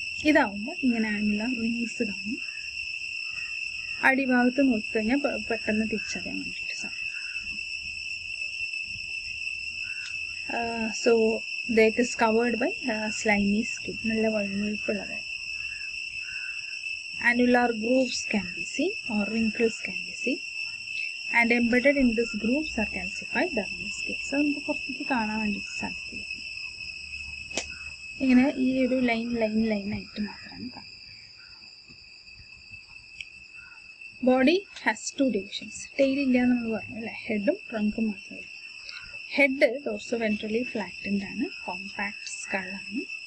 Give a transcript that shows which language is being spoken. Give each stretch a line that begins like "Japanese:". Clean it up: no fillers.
Malayalam: ഇതാവുമ്പോൾ ഇങ്ങനെ ആണുള്ള റിംഗ്സ് കാണും. അടിഭാഗത്ത് നോക്കി കഴിഞ്ഞാൽ പെട്ടെന്ന് തിരിച്ചറിയാൻ വേണ്ടിയിട്ട് സാധിക്കും.
English: so that is covered by slimy skin,
Malayalam: നല്ല വഴുവഴുപ്പുള്ളതായി.
English: Annular grooves can be seen or wrinkles can be seen, and embedded in this grooves are calcified dermal scales.
Malayalam: So നമുക്ക് കുറച്ചൊക്കെ കാണാൻ വേണ്ടിയിട്ട് സാധിക്കില്ല. ഇങ്ങനെ ഈ ഒരു ലൈൻ ലൈൻ ലൈൻ ആയിട്ട് മാത്രമാണ് കാണുന്നത്.
English: Body has two divisions.
Malayalam: Tail ഇല്ല എന്ന് നമ്മൾ പറഞ്ഞു അല്ലേ, ഹെഡും ട്രങ്കും മാത്രമേ. ഹെഡ് ഡോർസോ വെൻട്രലി ഫ്ലാറ്റൻഡ് ആണ്, കോമ്പാക്ട് സ്കള്ളാണ്.